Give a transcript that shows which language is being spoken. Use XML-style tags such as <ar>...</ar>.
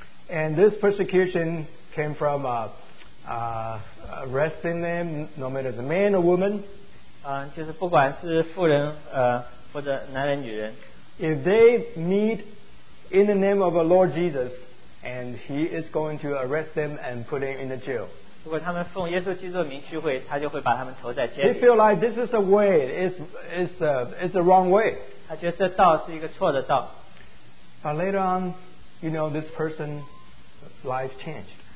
<en>And this persecution came from arresting them, no matter the man or woman.</en> <zh>就是不管是妇人, 或者男人女人,</zh> <en>if they meet in the name of the Lord Jesus, and he is going to arrest them and put them in the jail. They feel like this is the way, it's the wrong way. But later on, you know, this person's life changed.</en>